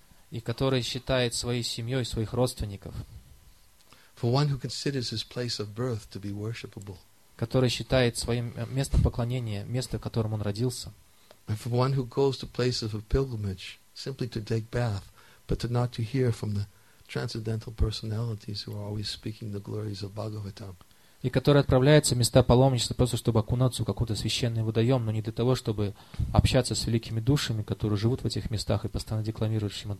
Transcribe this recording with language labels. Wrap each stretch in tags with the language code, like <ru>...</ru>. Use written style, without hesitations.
<ru>И который считает своей семьей своих родственников.</ru> <en>For one who considers his place of birth to be worshipable.</en> <ru>Который считает своим местом поклонения место, в котором он родился.</ru> <en>And for one who goes to places of pilgrimage simply to take bath, but to not to hear from the transcendental personalities who are always speaking the glories of Bhagavatam.</en> <ru>И который отправляется в места паломничества просто чтобы окунаться в какой-то священный водоем, но не для того, чтобы общаться с великими душами, которые живут в этих местах и постоянно декламируют Шримад</ru>